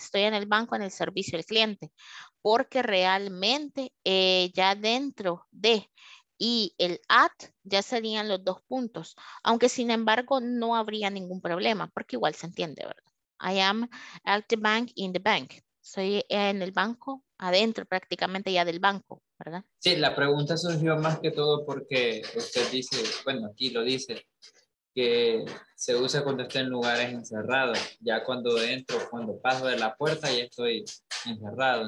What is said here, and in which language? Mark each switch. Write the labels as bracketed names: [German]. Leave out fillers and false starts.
[Spanish] Estoy en el banco en el servicio del cliente. Porque realmente ya dentro de... Y el at ya serían los dos puntos. Aunque sin embargo no habría ningún problema. Porque igual se entiende, ¿verdad? [English] I am at the bank in the bank. [Spanish] Soy en el banco, adentro prácticamente ya del banco, ¿verdad? Sí, la pregunta surgió más que todo porque usted dice, bueno, aquí lo dice, que se usa cuando estoy en lugares encerrados. Ya cuando entro, cuando paso de la puerta ya estoy encerrado.